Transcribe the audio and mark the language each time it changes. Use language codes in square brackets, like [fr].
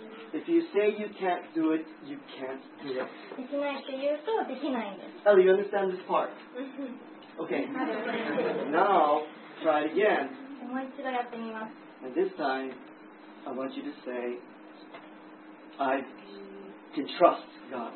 [en] If you say you can't do it, you can't do it. [ja] できないって言うと、できないんです。 [en] Oh, you understand this part? Okay. Now, try it again. [ja] もう一度やってみます。 [en] And this time... I want you to say, I can trust God.